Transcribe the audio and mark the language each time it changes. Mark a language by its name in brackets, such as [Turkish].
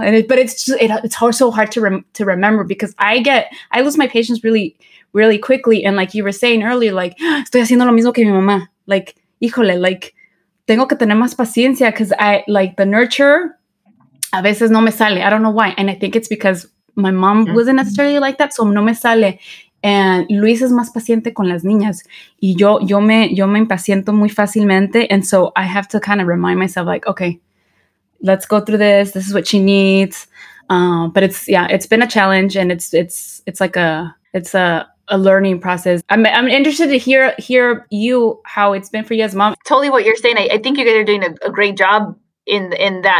[English] And it's so hard to remember because I lose my patience really, really quickly. And like you were saying earlier, like, [Spanish] estoy haciendo lo mismo que mi mamá, [English] like, híjole, like, [Spanish] tengo que tener más paciencia, [English] because I like the nurture [Spanish] a veces no me sale. [English] I don't know why, and I think it's because my mom wasn't necessarily like that, so [Spanish] no me sale. And Luis es más paciente con las niñas, y yo me impaciento muy fácilmente. [English] And so I have to kind of remind myself, like, okay, let's go through this. This is what she needs. But it's been a challenge, and it's like a learning process. I'm interested to hear you, how it's been for you as mom. Totally what you're saying. I think you guys are doing a great job in that.